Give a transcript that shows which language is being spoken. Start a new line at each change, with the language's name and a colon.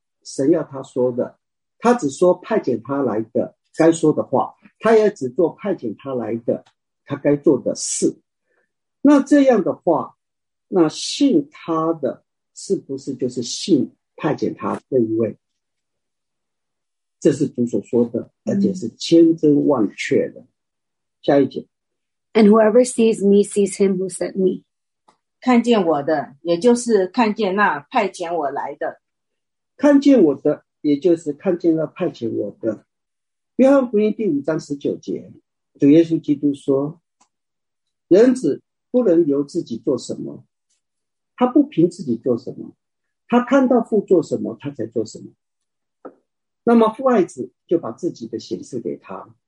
Chinese: 神要他说的，他只说派遣他来的该说的话，他也只做派遣他来的他该做的事。那这样的话，那信他的是不是就是信派遣他这一位？这是主所说的，而且是千真万确的。下一节。
English: And whoever sees me sees him who sent me.
Chinese: 看见我的，也就是看见那派遣我来的。看见我的，也就是看见那派遣我的。约翰福音第五章十九节，主耶稣基督说，人子不能由自己做什么，他不凭自己做什么，他看到父做什么他才做什么，那么父爱子就把自己的显示给他。